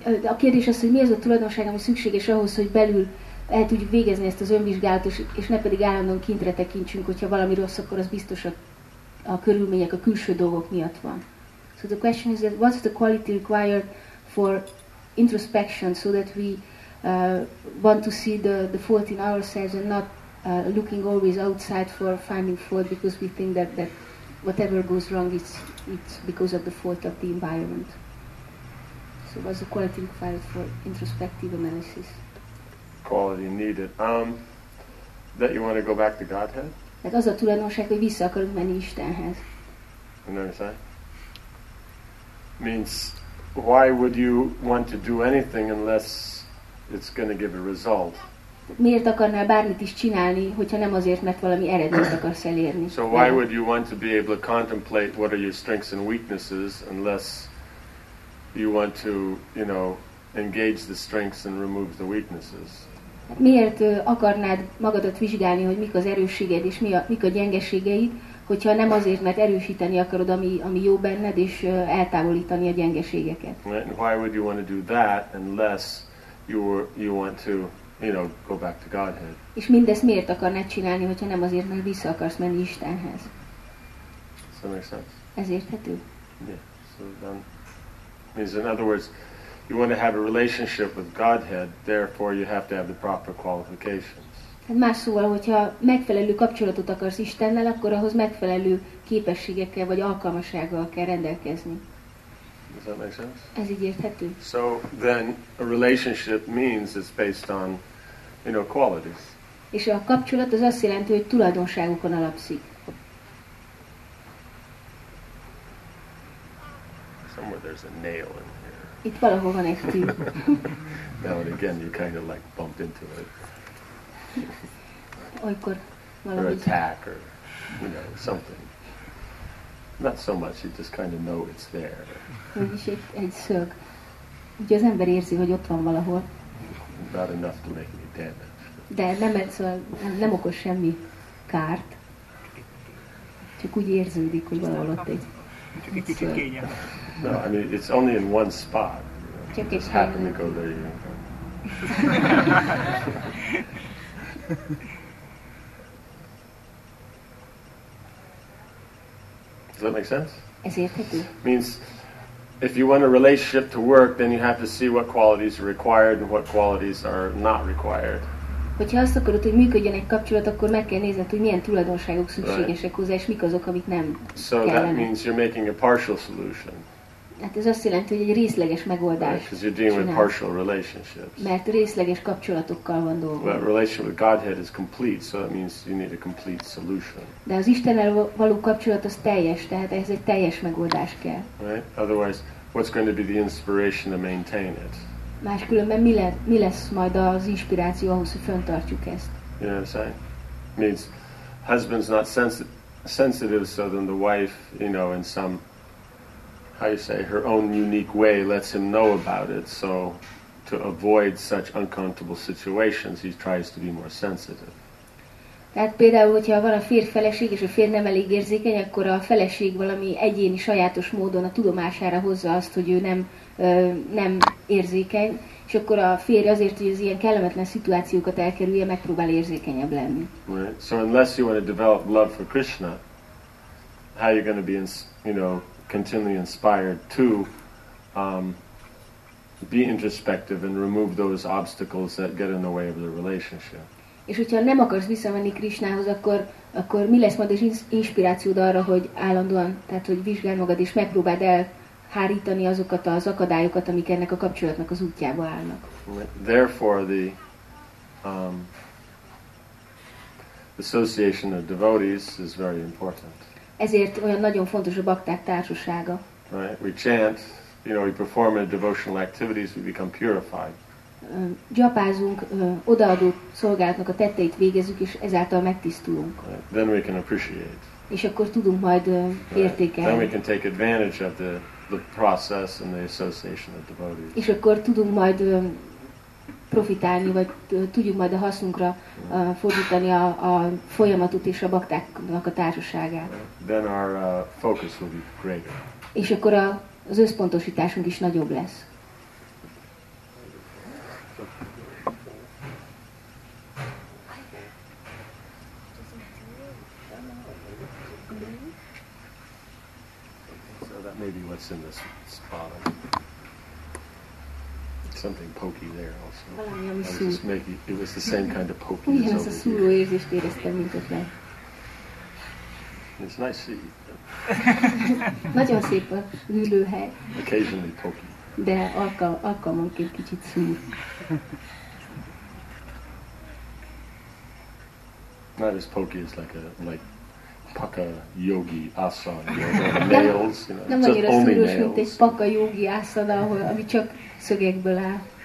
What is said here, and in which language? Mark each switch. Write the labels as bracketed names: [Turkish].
[Hungarian] A kérdés az, hogy mi az a tulajdonság, ami szükséges ahhoz, hogy belül el tudjuk végezni ezt az önvizsgálatot, és ne pedig állandóan kintre tekintsünk, hogyha valami rossz, akkor az biztos a körülmények, a külső dolgok miatt van. [English] So the question is that what's the quality required for introspection, so that we want to see the fault in ourselves and not looking always outside for finding fault, because we think that whatever goes wrong, it's because of the fault of the environment. So what's the quality required for introspective analysis? Quality needed. That you want to go back to Godhead? [Hungarian] Hát az a tulajdonság, hogy vissza akarunk menni Istenhez. [English] You know what I'm saying? Means, why would you want to do anything unless it's going to give a result? [Hungarian] Miért akarnál bármit is csinálni, hogyha nem azért, mert valami eredményt akarsz elérni? [English] So why would you want to be able to contemplate what are your strengths and weaknesses unless you want to, you know, engage the strengths and remove the weaknesses? [Hungarian] Miért akarnád magadat vizsgálni, hogy mik az erősséged és mik a gyengeségeid, hogyha nem azért, mert erősíteni akarod, ami jó benned, és eltávolítani a gyengeségeket? [English] Why would you want to do that unless you want to, you know, go back to Godhead? [Hungarian] És mindezt miért akarnád csinálni, hogyha nem azért, mert vissza akarsz menni Istenhez? [English] Does that make sense? [Hungarian] Ez érthető? [English] Yeah. So then, in other words, you want to have a relationship with Godhead, therefore you have to have the proper qualifications. [Hungarian] Tehát más szóval, hogyha megfelelő kapcsolatot akarsz Istennel, akkor ahhoz megfelelő képességekkel vagy alkalmassággal kell rendelkezni. [English] Does that make sense? [Hungarian] Ez így érthető. [English] So then a relationship means it's based on, you know, qualities. [Hungarian] És a kapcsolat az azt jelenti, hogy tulajdonságokon alapszik. [English] Somewhere there's a nail in here. [Hungarian] Itt valahol van egy tű. [English] Now and again you kind of like bumped into it. [Hungarian] Olykor valami. [English] Or attack, or, you know, something. Not so much, you just kind of know it's there. [Hungarian] Vagyis egy szög. Úgyhogy az ember érzi, hogy ott van valahol. Not enough to make any damage. De nem, szóval nem okoz semmi kárt. Csak úgy érződik, hogy valahol ott egy szög. [English] No, I mean, it's only in one spot. You know. Just happened to go there. You know. Does that make sense? [Hungarian] Ez érthető. [English] Means if you want a relationship to work, then you have to see what qualities are required and what qualities are not required. [Hungarian] Hogyha azt akarod, hogy működjön egy kapcsolat, akkor meg kell nézned, hogy milyen tulajdonságok szükségesek hozzá, és mik azok, amik nem kellene. [English] So that means you're making a partial solution. [Hungarian] Hát ez azt jelenti, hogy egy részleges megoldás. [English] Right, because you're dealing with partial relationships. [Hungarian] Mert részleges kapcsolatokkal van dolgunk. [English] Well, a relationship with Godhead is complete, so that means you need a complete solution. [Hungarian] De az Istennel való kapcsolat az teljes, tehát ez egy teljes megoldás kell. [English] Right? Otherwise, what's going to be the inspiration to maintain it? [Hungarian] Máskülönben mi lesz majd az inspiráció ahhoz, hogy fönntartjuk ezt? [English] You know what I'm saying? Means husband's not sensitive, so then the wife, you know, in some, how you say, her own unique way lets him know about it, so to avoid such uncomfortable situations, he tries to be more sensitive. [Hungarian] Tehát például, hogyha van a férj feleség, és a férj nem elég érzékeny, akkor a feleség valami egyéni, sajátos módon a tudomására hozza azt, hogy ő nem érzékeny, és akkor a férj azért, hogy az ilyen kellemetlen szituációkat elkerülje, megpróbál érzékenyebb lenni. [English] Right. So unless you want to develop love for Krishna, how are you going to be, you know, continually inspired to be introspective and remove those obstacles that get in the way of the relationship. [Hungarian] És hogyha nem akarsz visszamenni Krishnához, akkor mi lesz majd az inspirációd arra, hogy állandóan, tehát hogy vizsgálj magad és megpróbáld elhárítani azokat az akadályokat, amik ennek a kapcsolatnak az útjába állnak. [English] Therefore the association of devotees is very important. [Hungarian] Ezért olyan nagyon fontos a bakták társasága. [English] Right. We chant, you know, we perform in devotional activities, we become purified. [Hungarian] Gyapázunk, odaadó szolgálatnak a tetteit végezzük, és ezáltal megtisztulunk. [English] Right. Then we can appreciate. [Hungarian] És akkor tudunk majd értékelni. [English] Then we can take advantage of the process and the association of devotees. [Hungarian] És akkor tudunk majd profitálni, vagy tudjuk majd a hasznunkra fordítani a folyamatot és a baktáknak a társaságát. [English] Then our focus will be greater. [Hungarian] És akkor az összpontosításunk is nagyobb lesz. [English] So that may be what's in this spot. Something pokey there also. It was the same kind of pokey. [Hungarian] Igen, as az szúró érzést éreztem, mint ott lehet. [English] It's nice to see. [Hungarian] Nagyon szép a hűlőhely. [English] Occasionally pokey. [Hungarian] De alkalmanként kicsit szúr. [English] Not as pokey as like paka yogi asana, you know, nails, you know. [Hungarian] Nem annyira szúros, mint egy paka yogi asana, ami csak szögekből áll.